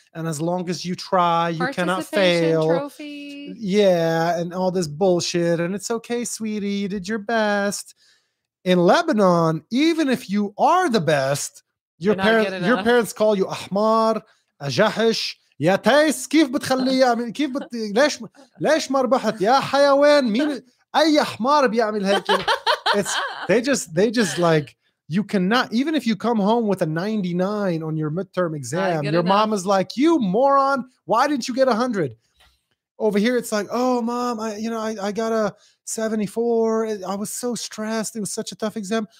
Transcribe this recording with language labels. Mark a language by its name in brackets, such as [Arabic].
[English] And as long as you try, you cannot fail. Trophy. Yeah, and all this bullshit. And it's okay, sweetie. You did your best. In Lebanon, even if you are the best, your parents call you [Arabic] Ahmar, Ajahish. يا تايس كيف بتخليه يعمل كيف بت ليش ما ربحت يا حيوان مين اي حمار بيعمل هيك. [English] It's they just like, you cannot, even if you come home with a 99 on your midterm exam, your mom is like, you moron, why didn't you get 100? Over here it's like, oh mom, I got a 74, I was so stressed, it was such a tough exam.